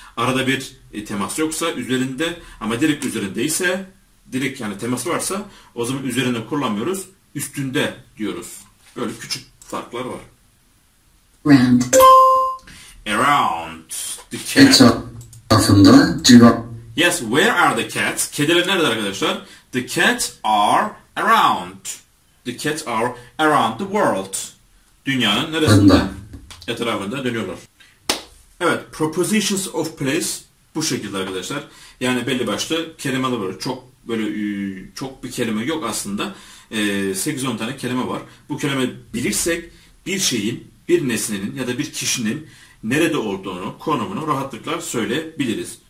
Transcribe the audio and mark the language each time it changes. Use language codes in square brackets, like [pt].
[tr] Arada bir temas yoksa üzerinde, ama direkt üzerindeyse, direkt yani temas varsa, o zaman üzerinde kullanmıyoruz, üstünde diyoruz. Böyle küçük farklar var. [en] Round. Around. The cat. [tr] Etrafında. [en] Yes, where are the cats? [tr] Kediler nerede arkadaşlar? [en] The cats are around. The cats are around the world. [tr] Dünyanın neresinde? Etrafında dönüyorlar. Evet, [en] propositions of place [tr] Bu şekilde arkadaşlar. Yani belli başlı kelimeler var. Çok böyle çok bir kelime yok aslında. 8-10 tane kelime var. Bu kelime bilirsek bir şeyin, bir nesnenin ya da bir kişinin nerede olduğunu, konumunu rahatlıkla söyleyebiliriz.